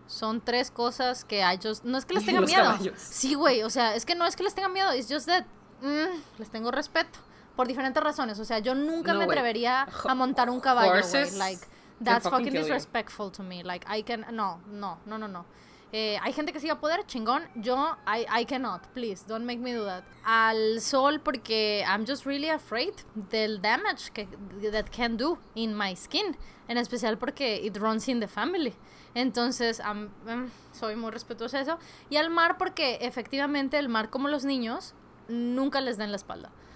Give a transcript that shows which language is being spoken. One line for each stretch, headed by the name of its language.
Spanish: Son tres cosas que a ellos, no es que les tenga miedo. Caballos. Sí, güey, o sea, es que no es que les tenga miedo,
English: it's just that
Spanish: les tengo respeto por diferentes razones. O sea, yo nunca me atrevería a montar un caballo, güey.
English: Like, that's fucking disrespectful to me. Like, I can, no.
Spanish: Hay gente que sí va a poder, chingón.
English: Yo, I cannot, please, don't make me do that.
Spanish: Al sol, porque
English: I'm just really afraid del damage that can do in my skin.
Spanish: En especial porque
English: it runs in the family.
Spanish: Entonces, soy muy respetuosa de eso. Y al mar, porque efectivamente el mar, como los niños, nunca les den la espalda.